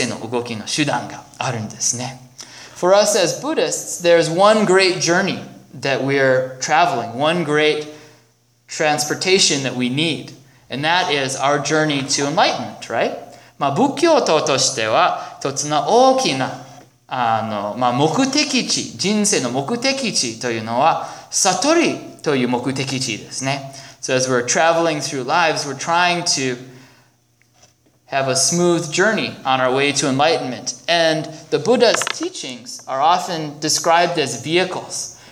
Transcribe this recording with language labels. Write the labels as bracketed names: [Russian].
[Japanese] まあ、体を動かす時もあるんですけど、人生を動かす手段もありますね。例えば、医者になりたいと思ってたら、大学に行って勉強して、また医学の学校に行って勉強して、そして医者さんになったという一つの動きの人生の動きの手段があるんですね。 [English] For us as Buddhists, there's one great journey that we're traveling, one great transportation that we need, and that is our journey to enlightenment, right? [Japanese] まあ仏教徒としては一つの大きな目的地、人生の目的地というのは悟りという目的地ですね。 [English] So as we're traveling through lives, we're trying to have a smooth journey on our way to enlightenment. And the Buddha's teachings are often described as vehicles.